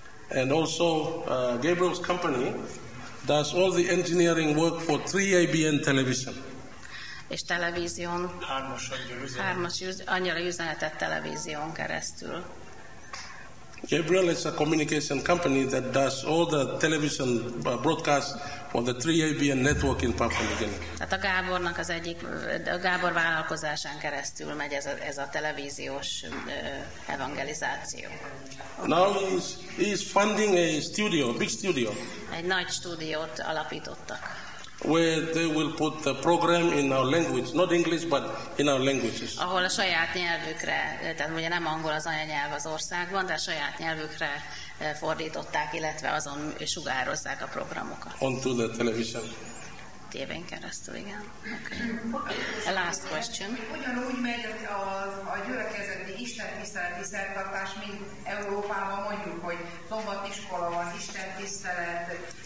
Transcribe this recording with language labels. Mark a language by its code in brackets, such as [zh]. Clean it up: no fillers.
[en] And also Gabriel's company does all the engineering work for 3ABN television. [hu] És televízión. Hármas angyali üzenetet televízión keresztül. [en] Gabriel is a communication company that does all the television broadcasts for the 3ABN network in Papua New Guinea. [hu] Tehát a Gábornak az egyik, a Gábor vállalkozásán keresztül megy ez a televíziós evangelizáció. [en] Now he's funding a studio, big studio. [hu] Egy nagy stúdiót alapítottak. [en] Where they will put the program in our language, not English, but in our languages. [hu] Ahol a saját nyelvükre, tehát ugye nem angol az anyanyelv az országban, de a saját nyelvükre fordították, illetve azon sugározzák a programokat. [en] Onto the television. [hu] Tévén keresztül, igen. [en] Okay. A last question. [hu] Ugyanúgy megy a gyülekezeti istentiszteleti szertartás, mint Európában mondjuk, hogy szombat iskola van, istentisztelet.